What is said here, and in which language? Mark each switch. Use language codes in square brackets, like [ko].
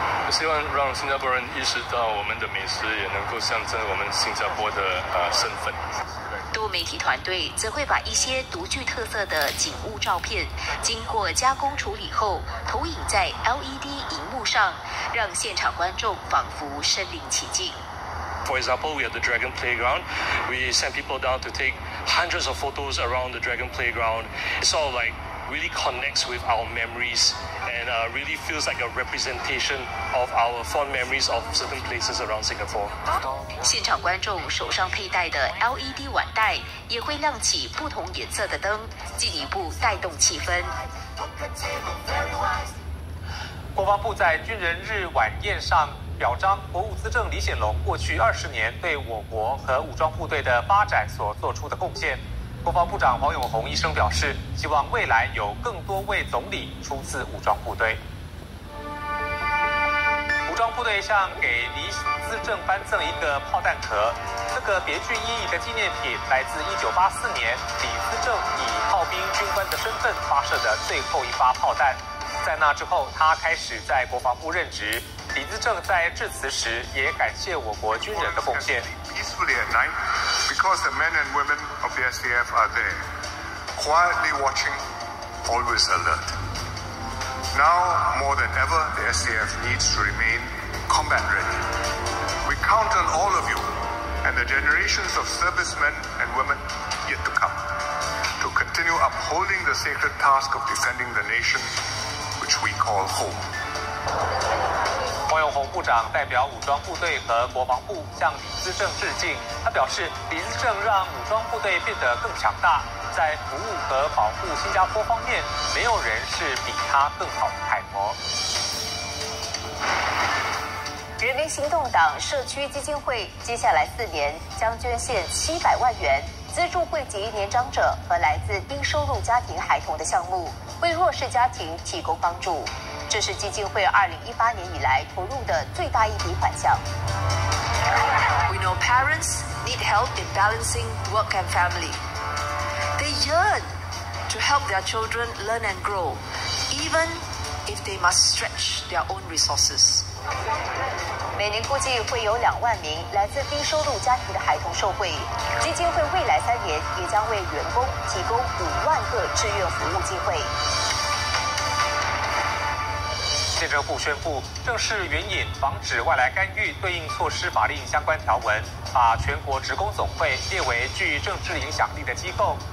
[zh] 希望让新加坡人意识到我们的美食也能够象征我们新加坡的身份。多媒体团队则会把一些独具特色的景物照片经过加工处理后投影在 LED 荧幕上，让现场观众仿佛身临其境。 [en] For example, we have the Dragon Playground. We send people down to take hundreds of photos around the Dragon Playground. It's all like really connects with our memories and really feels like a representation of our fond memories of certain places around Singapore. [zh] 现场观众手上佩戴的 LED 腕带也会亮起不同颜色的灯，进一步带动气氛。国防部在军人日晚宴上表彰国务资政李显龙过去20年对我国和武装部队的发展所做出的贡献。国防部长黄永宏医生表示，希望未来有更多位总理出自武装部队。武装部队向给李资政颁赠一个炮弹壳，这个别具意义的纪念品来自1984年李资政以炮兵军官的身份发射的最后一发炮弹。在那之后，他开始在国防部任职。李资政在致辞时也感谢我国军人的贡献。 [en] Because the men and women of the SDF are there, quietly watching, always alert. Now, more than ever, the SDF needs to remain combat ready. We count on all of you and the generations of servicemen and women yet to come to continue upholding the sacred task of defending the nation which we call home. [zh] 黄永宏部长代表武装部队和国防部向李资政致敬。他表示，李资政让武装部队变得更强大，在服务和保护新加坡方面，没有人是比他更好的楷模。人民行动党社区基金会接下来4年将捐献700万元，资助惠及年长者和来自低收入家庭孩童的项目，为弱势家庭提供帮助。这是基金会2018年以来投入的最大一笔款项。 [en] We know parents need help in balancing work and family. They yearn to help their children learn and grow, even if they must stretch their own resources. [zh] 每年估计会有20000名来自低收入家庭的孩童受惠。基金会未来3年也将为员工提供50000个志愿服务机会。内政部宣布正式援引防止外来干预对应措施法令相关条文，把全国职工总会列为具政治影响力的机构。